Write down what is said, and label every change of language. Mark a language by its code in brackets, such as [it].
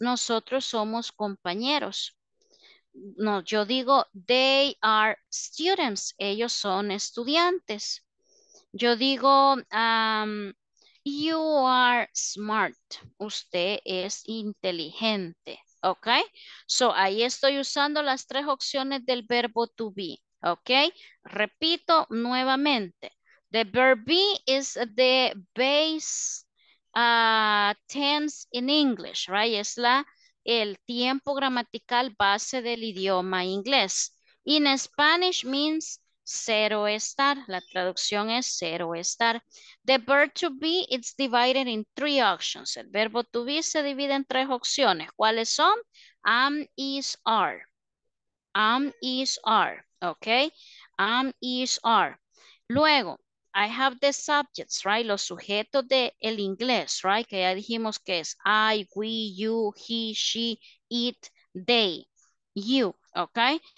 [es] Nosotros somos compañeros. No, yo digo, [en] they are students, [es] ellos son estudiantes. Yo digo, [en] you are smart, [es] usted es inteligente, ¿ok? So, ahí estoy usando las tres opciones del verbo to be, ¿ok? [en] Repito nuevamente, the verb be is the base tense in English, right? [es] Es la... el tiempo gramatical base del idioma inglés. [en] In Spanish means [es] ser o estar. La traducción es ser o estar. [en] The verb to be is divided in three options. [es] El verbo to be se divide en tres opciones. ¿Cuáles son? Am, is, are. Am, is, are. ¿Ok? [en] Am, is, are. Luego, I have the subjects, right? [es] Los sujetos del inglés, right? Que ya dijimos que es I, we, you, he, she, it, they, you, ¿ok?